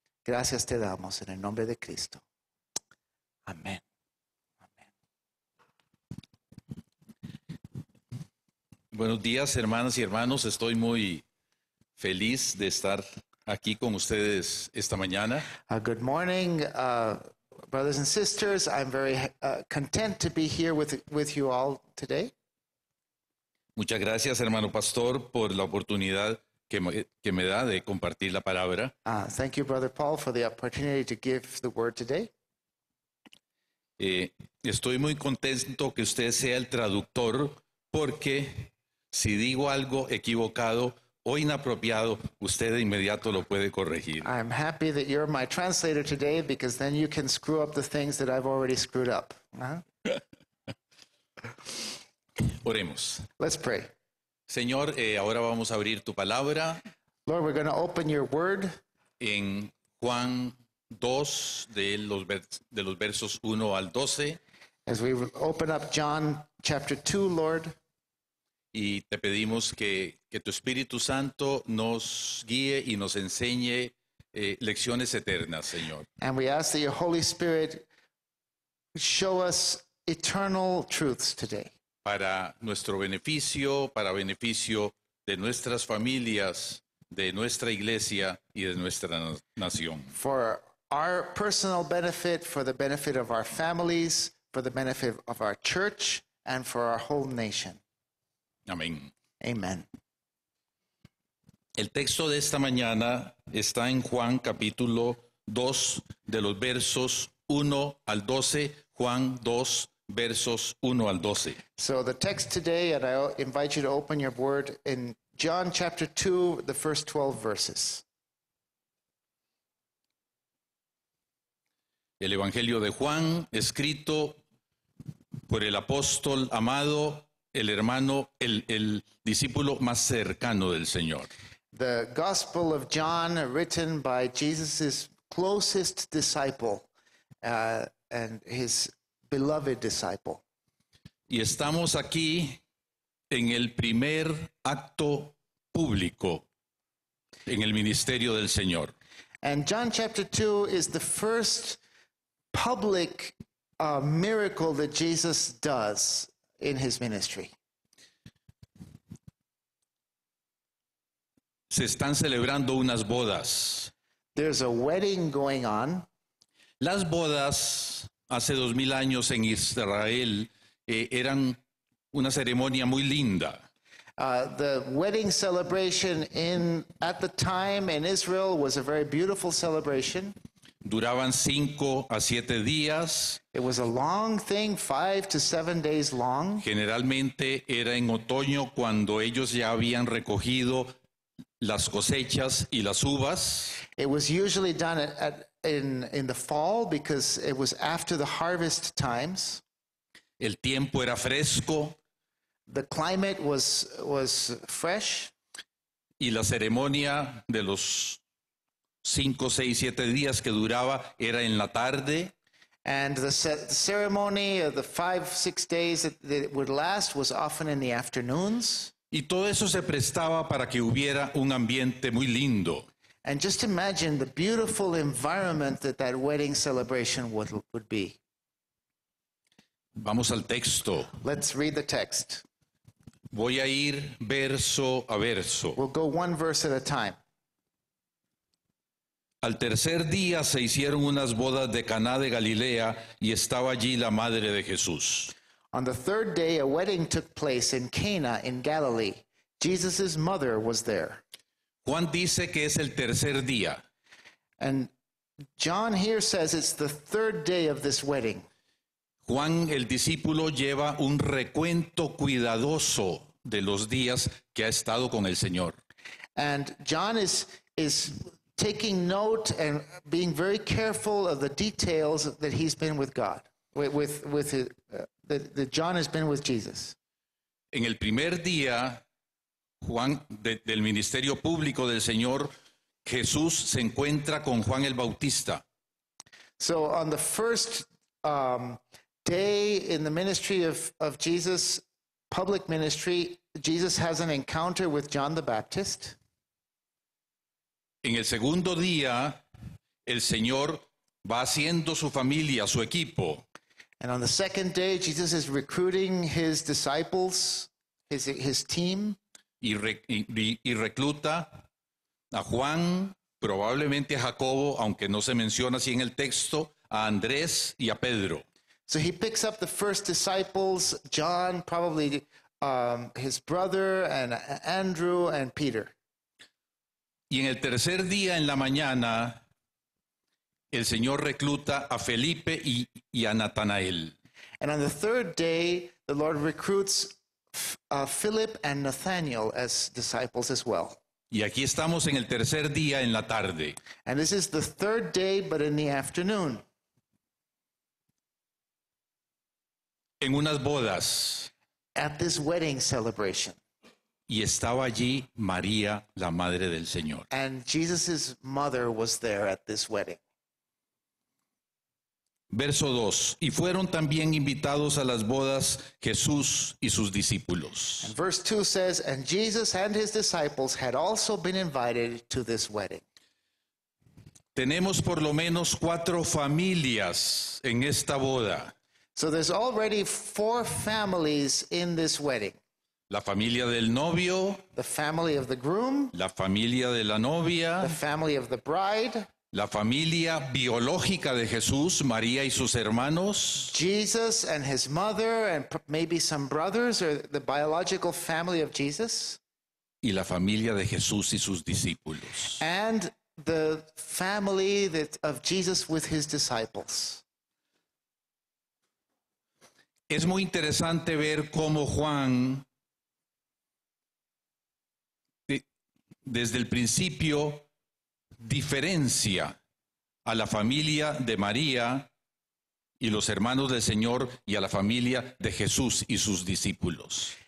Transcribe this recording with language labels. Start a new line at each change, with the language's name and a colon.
Spanish: Gracias te damos en el nombre de Cristo. Amén. Buenos días, hermanas y hermanos. Estoy muy feliz de estar aquí con ustedes esta mañana.
English: Good morning, brothers and sisters. I'm very content to be here with you all today.
Spanish: Muchas gracias, hermano pastor, por la oportunidad que me da de compartir la palabra.
English: Thank you, Brother Paul, for the opportunity to give the word today.
Spanish: Estoy muy contento que usted sea el traductor porque si digo algo equivocado o inapropiado, usted de inmediato lo puede corregir.
English: I'm happy that you're my translator today because then you can screw up the things that I've already screwed up.
Spanish: Oremos.
English: Let's pray.
Spanish: Señor, ahora vamos a abrir tu palabra
English: Lord, we're going to open your word.
Spanish: en Juan 2, de los versos 1 al 12.
English: As we open up John chapter 2, Lord.
Spanish: Y te pedimos que tu Espíritu Santo nos guíe y nos enseñe lecciones eternas, Señor.
English: And we ask that your Holy Spirit show us eternal truths today.
Spanish: Para nuestro beneficio, para beneficio de nuestras familias, de nuestra iglesia y de nuestra nación.
English: For our personal benefit, for the benefit of our families, for the benefit of our church, and for our whole nation.
Spanish: Amén.
English: Amen.
Spanish: El texto de esta mañana está en Juan capítulo 2, de los versos 1 al 12. Juan 2, versos 1 al 12.
English: So the text today, and I invite you to open your word in John chapter 2, the first 12 verses.
Spanish: El Evangelio de Juan, escrito por el apóstol amado, el hermano, el discípulo más cercano del Señor.
English: The Gospel of John, written by Jesus' closest disciple, and his beloved disciple.
Spanish: Y estamos aquí en el primer acto público en el ministerio del Señor.
English: And John chapter 2 is the first public miracle that Jesus does in his ministry.
Spanish: Se están celebrando unas bodas.
English: There's a wedding going on.
Spanish: Las bodas hace 2000 años en Israel eran una ceremonia muy linda.
English: The wedding celebration at the time in Israel was a very beautiful celebration.
Spanish: Duraban 5 a 7 días.
English: It was a long thing, 5 to 7 days long.
Spanish: Generalmente era en otoño cuando ellos ya habían recogido las cosechas y las uvas.
English: It was usually done in the fall because it was after the harvest times.
Spanish: El tiempo era fresco
English: The climate was fresh.
Spanish: y la ceremonia de los 5, 6, 7 días que duraba era en la tarde.
English: And the ceremony of the 5, 6 days that it would last was often in the afternoons.
Spanish: Y todo eso se prestaba para que hubiera un ambiente muy lindo.
English: And just imagine the beautiful environment that wedding celebration would be.
Spanish: Vamos al texto.
English: Let's read the text.
Spanish: Voy a ir verso a verso.
English: We'll go one verse at a time.
Spanish: Al tercer día se hicieron unas bodas de Caná de Galilea y estaba allí la madre de Jesús.
English: On the third day, a wedding took place in Cana in Galilee. Jesus' mother was there.
Spanish: Juan dice que es el tercer día.
English: And John here says it's the third day of this wedding.
Spanish: Juan, el discípulo, lleva un recuento cuidadoso de los días que ha estado con el Señor.
English: And John is taking note and being very careful of the details that he's been with God, that John has been with Jesus.
Spanish: En el primer día, Juan, del ministerio público del Señor, Jesús se encuentra con Juan el Bautista.
English: So on the first day in the ministry of Jesus, public ministry, Jesus has an encounter with John the Baptist.
Spanish: En el segundo día, el Señor va haciendo su familia, su equipo.
English: And on the second day, Jesus is recruiting his disciples, his team.
Spanish: Y recluta a Juan, probablemente a Jacobo, aunque no se menciona así en el texto, a Andrés y a Pedro.
English: So he picks up the first disciples, John, probably his brother, and Andrew and Peter.
Spanish: Y en el tercer día en la mañana, el Señor recluta a Felipe y a Natanael.
English: And on the third day, the Lord recruits Philip and Nathanael as disciples as well.
Spanish: Y aquí estamos en el tercer día en la tarde.
English: And this is the third day, but in the afternoon.
Spanish: En unas bodas.
English: At this wedding celebration.
Spanish: Y estaba allí María, la madre del Señor.
English: And Jesus's mother was there at this wedding.
Spanish: Verso 2. Y fueron también invitados a las bodas Jesús y sus discípulos.
English: And verse 2 says, and Jesus and his disciples had also been invited to this wedding.
Spanish: Tenemos por lo menos cuatro familias en esta boda.
English: So there's already four families in this wedding.
Spanish: La familia del novio.
English: The family of the groom.
Spanish: La familia de la novia.
English: The family of the bride.
Spanish: La familia biológica de Jesús, María y sus hermanos.
English: Jesus and his mother and maybe some brothers or the biological family of Jesus.
Spanish: Y la familia de Jesús y sus discípulos.
English: And the family that of Jesus with his disciples.
Spanish: Es muy interesante ver cómo Juan, desde el principio, diferencia a la familia de María y los hermanos del Señor y a la familia de Jesús y sus discípulos.